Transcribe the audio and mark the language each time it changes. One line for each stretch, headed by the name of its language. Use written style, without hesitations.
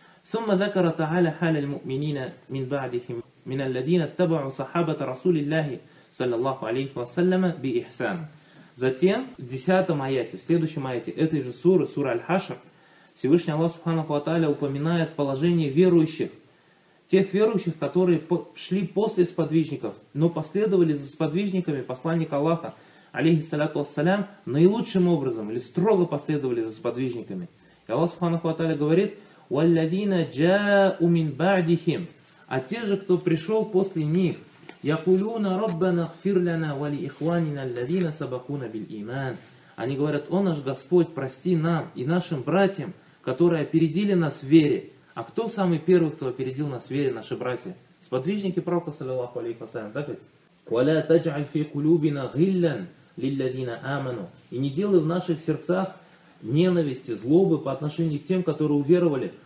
Arabic: ثم ذكر تعالى حال المؤمنين من بعدهم من الذين اتبعوا صحابة رسول الله صلى الله عليه وسلم بإحسان.
Russian: Затем в 10 аяте, в следующем аяте этой же суры, сура Аль-Хашр, Всевышний Аллах Субханаху ва Тааля упоминает положение верующих, тех верующих, которые шли после сподвижников, но последовали за сподвижниками посланника Аллаха алейхи саляту вассалям наилучшим образом или строго последовали за сподвижниками. И Аллах Субханаху ва Тааля говорит:
Arabic: وَالَّذِينَ جَاءُ مِنْ بَعْدِهِمْ.
Russian: А те же, кто пришел после них,
Arabic: يَقُولُونَ رَبَّنَا اغْفِرْ لَنَا وَلِإِخْوَانِنَا الَّذِينَ سَبَقُونَ بِالْإِيمَانِ.
Russian: Они говорят: «О наш Господь, прости нам и нашим братьям, которые опередили нас в вере». А кто самый первый, кто опередил нас в вере, наши братья? Сподвижники Пророка, саллиллаху алейхи вассалям, так ведь?
Arabic: وَلَا تَجْعَلْ فِي قُلُوبِنَا غِلًّا لِلَّذِينَ آمَنُوا.
Russian: И не делай в наших сердцах ненависти, злобы по отношению к тем, которые уверовали.